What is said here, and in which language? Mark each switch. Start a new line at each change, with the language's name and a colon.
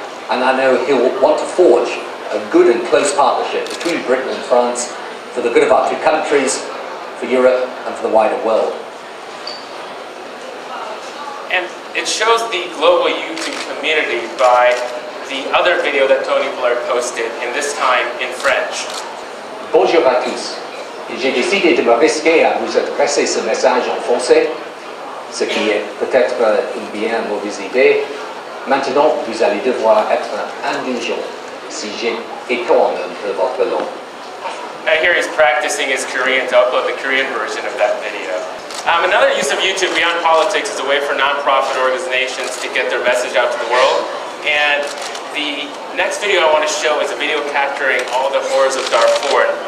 English: And I know he'll want to forge a good and close partnership between Britain and France for the good of our two countries, for Europe, and for the wider world. It shows the global YouTube community by the other video that Tony Blair posted, and this time in French.
French: Bonjour à tous. J'ai décidé de m'adresser à vous adresser ce message en français, ce qui est peut-être une bien mauvaise idée. Maintenant, vous allez devoir être indulgent si j'étonne un peu votre langue.
English: I hear he's practicing his Korean to upload the Korean version of that video. Another use of YouTube beyond politics is a way for nonprofit organizations to get their message out to the world. And the next video I want to show is a video capturing all the horrors of Darfur.